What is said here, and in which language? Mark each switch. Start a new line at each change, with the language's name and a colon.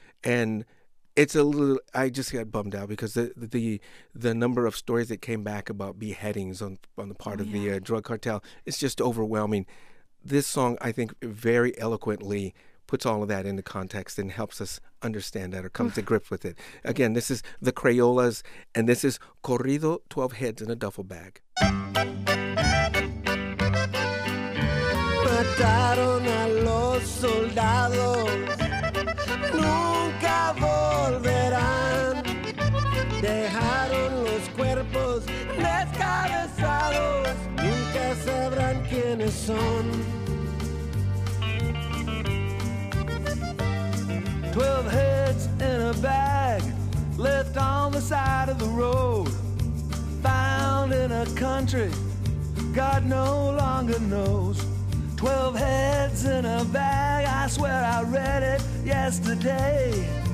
English: And it's a little, I just got bummed out because the number of stories that came back about beheadings on the part of the drug cartel, it's just overwhelming. This song, I think, very eloquently puts all of that into context and helps us understand that or comes to grips with it. Again, this is the Crayolas, and this is Corrido 12 Heads in a Duffel Bag.
Spanish: Mataron a los soldados, nunca volverán. Dejaron los cuerpos descabezados, nunca sabrán quiénes son.
English: 12 heads in a bag, left on the side of the road, found in a country God no longer knows. 12 heads in a bag, I swear I read it yesterday.